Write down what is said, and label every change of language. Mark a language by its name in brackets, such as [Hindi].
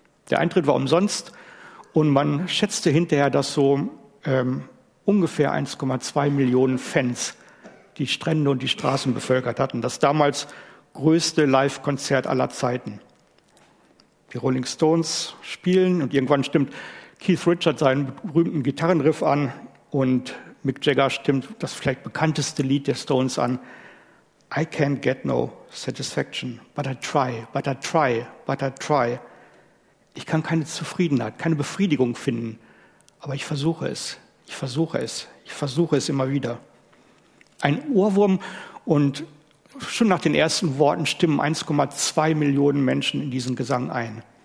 [German] Der Eintritt war umsonst und man schätzte hinterher, dass so ungefähr 1,2 Millionen Fans die Strände und die Straßen bevölkert hatten. Das damals größte Live-Konzert aller Zeiten. Die Rolling Stones spielen und irgendwann stimmt Keith Richards seinen berühmten Gitarrenriff an und Mick Jagger stimmt das vielleicht bekannteste Lied der Stones an. [English] I can't get no satisfaction, but I try, but I try, but I try. [German] Ich kann keine Zufriedenheit, keine Befriedigung finden, aber ich versuche es, ich versuche es, ich versuche es immer wieder. Ein Ohrwurm und schon nach den ersten Worten stimmen 1,2 Millionen Menschen in diesen Gesang ein.